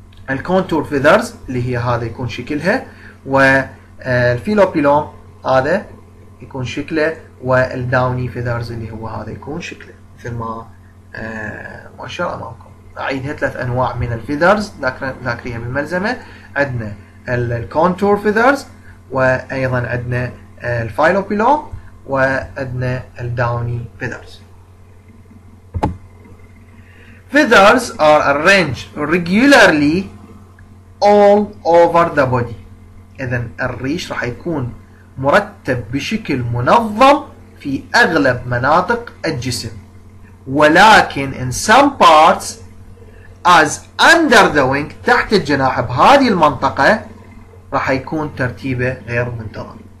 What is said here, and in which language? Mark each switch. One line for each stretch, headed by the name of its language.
Arabic: الكونتور فيذرز اللي هي هذا يكون شكلها، والفيلوبيلوم هذا يكون شكله، والداوني فيذرز اللي هو هذا يكون شكله مثل ما مؤشر أمامكم. أعيدها، ثلاث أنواع من الفيذرز ذاكريها بالملزمة. عندنا الكونتور فيذرز، وأيضا عندنا الفيلوبيلوم، وعندنا الداوني فيذرز.
English: Feathers are arranged regularly all over the body.
Arabic: إذن الريش راح يكون مرتب بشكل منظم في أغلب مناطق الجسم، ولكن
English: in some parts as under the wing
Arabic: تحت الجناح بهذه المنطقة راح يكون ترتيبه غير منتظم.